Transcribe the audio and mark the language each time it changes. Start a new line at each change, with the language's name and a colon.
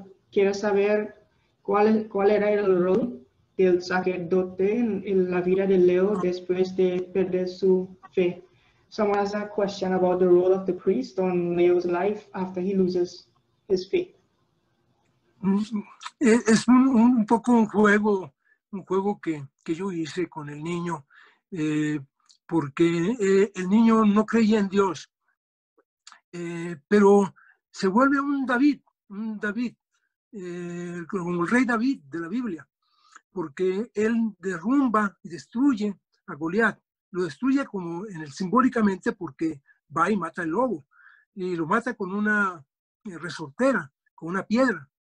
Spanish: Quiere saber cuál era el rol del sacerdote en la vida de Leo después de perder su fe.
English: Someone has a question about the role of the priest on Leo's life after he loses his faith.
Spanish: Es un poco un juego que yo hice con el niño, porque el niño no creía en Dios. Pero se vuelve un David, como el rey David de la Biblia, porque él derrumba y destruye a Goliat, lo destruye como en el simbólicamente, porque va y mata al lobo y lo mata con una resortera, con una piedra.